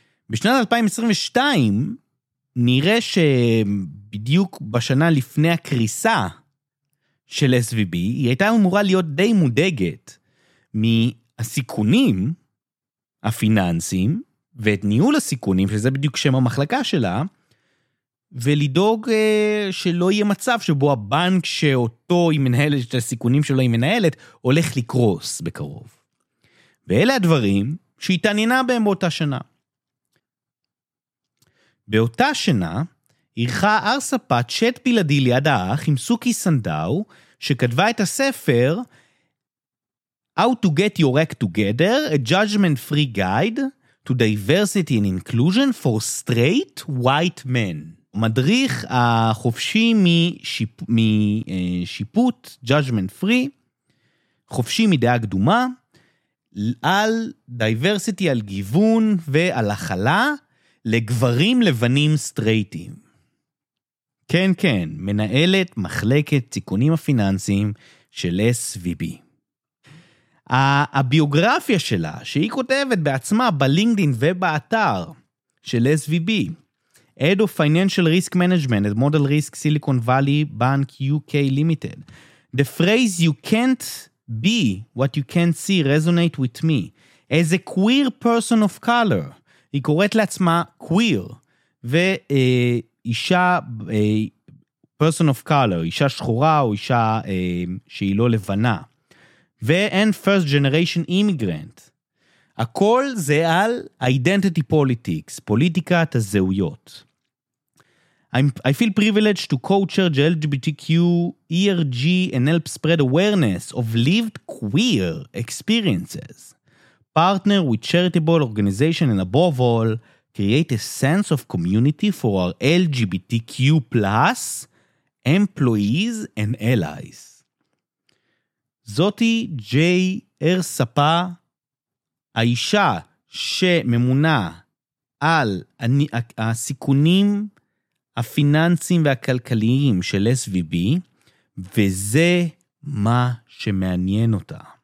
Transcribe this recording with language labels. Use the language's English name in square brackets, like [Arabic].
[Hebrew] בשנת 2022 נראה שבדיוק בשנה לפני הקריסה של SVB, היא הייתה אמורה להיות די מודאגת מהסיכונים הפיננסיים ואת ניהול הסיכונים, שזה בדיוק שם המחלקה שלה, ולדאוג שלא יהיה מצב שבו הבנק שאותו היא מנהלת, את הסיכונים שלו היא מנהלת, הולך לקרוס בקרוב. ואלה הדברים שהתעניינה בהם באותה שנה. באותה שנה, עירכה ארספה צ'אט בלעדי ליד האח עם סוקי סנדאו, שכתבה את הספר [English] How to get your act together, a judgment-free guide to diversity and inclusion for straight white men. [Hebrew] מדריך החופשי משיפוט, [English] judgment free, [Hebrew] חופשי מדעה קדומה, על diversity, על גיוון ועל הכלה לגברים לבנים סטרייטים. כן, כן, מנהלת מחלקת תיקונים הפיננסיים של SVB. הביוגרפיה שלה, שהיא כותבת בעצמה בלינקדין ובאתר של SVB, [English] Head of Financial Risk Management at Model Risk Silicon Valley Bank UK Limited. The phrase you can't be what you can't see resonate with me. As a queer person of color, [Hebrew] היא קוראת לעצמה queer, ואישה, person of color, אישה שחורה או אישה שהיא לא לבנה, [English] and first generation immigrant. [Hebrew] הכל זה על identity politics, פוליטיקת הזהויות. [English] I feel privileged to co-chair LGBTQ, ERG and help spread awareness of lived queer experiences. Partner with charitable organization and above all, create a sense of community for our LGBTQ+, employees and allies. [Hebrew] זאתי ג'יי אר ספה, האישה שממונה על הסיכונים הפיננסיים והכלכליים של SVB, וזה מה שמעניין אותה.